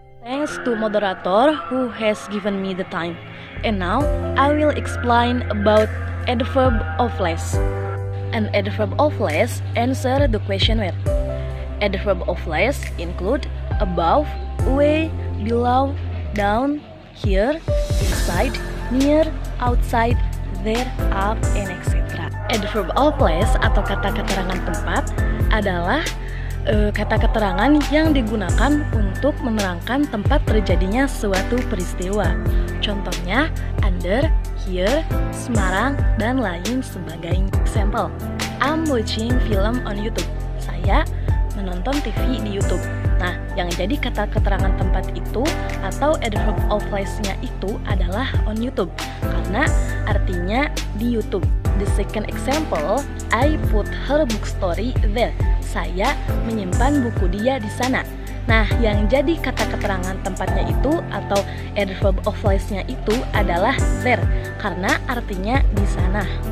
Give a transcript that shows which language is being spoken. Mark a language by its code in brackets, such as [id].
[en] Thanks to moderator who has given me the time. And now, I will explain about adverb of place. An adverb of place answer the question where. Adverb of place include above, away, below, down, here, inside, near, outside, there, up, and etc. [id] Adverb of place atau kata keterangan tempat adalah kata keterangan yang digunakan untuk menerangkan tempat terjadinya suatu peristiwa. Contohnya, under, here, Semarang, dan lain sebagainya. [en] Example, I'm watching film on YouTube. [id] Saya menonton TV di YouTube. Nah, yang jadi kata keterangan tempat itu atau adverb of place-nya itu adalah on YouTube, karena artinya di YouTube. [en] The second example, I put her bookstore there. [id] Saya menyimpan buku dia di sana. Nah, yang jadi kata keterangan tempatnya itu atau adverb of place-nya itu adalah there, karena artinya di sana.